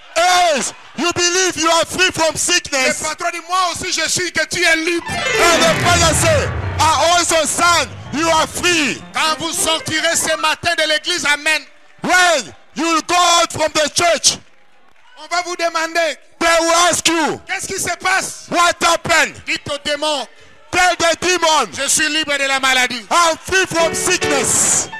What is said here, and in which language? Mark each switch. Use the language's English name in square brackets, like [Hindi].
[English] Yes, you believe you are free from sickness. [French] Le patron dit, moi aussi je suis que tu es libre. [English] And the father said, I also son, you are free. [French] Quand vous sortirez ce matin de l'église, amen. [English] When you go out from the church, [French] on va vous demander. [English] They will ask you. [French] Qu'est-ce qui se passe? [English] What happened? [French] Dites au démon. [English] Tell the demon. [French] Je suis libre de la maladie. [English] I'm free from sickness.